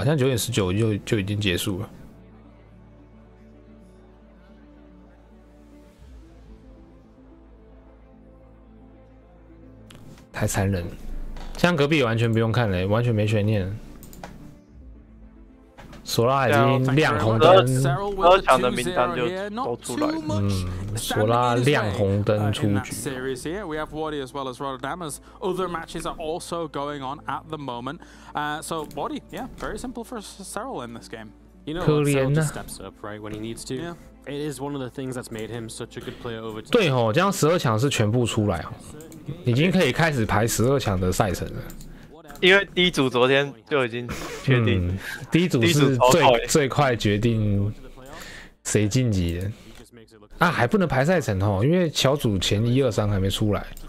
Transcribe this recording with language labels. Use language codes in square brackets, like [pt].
[zh] 现在九点十九就已经结束了，太残忍了！像隔壁完全不用看了，完全没悬念。索拉已经亮红灯，二强的名单就都出来了。索拉亮红灯出局。 [en] In that series here, we have Wadi as well as Rotterdamers. Other matches are also going on at the moment. So Wadi, yeah, very simple for Cyril in this game. You know, Cyril just steps up right when he needs to. It is one of the things that's made him such a good player over time. [zh] 对吼，这样十二强是全部出来哦，已经可以开始排十二强的赛程了。因为第一组昨天就已经确定，第一组是最快决定谁晋级的啊，还不能排赛程哦，因为小组前一二三还没出来。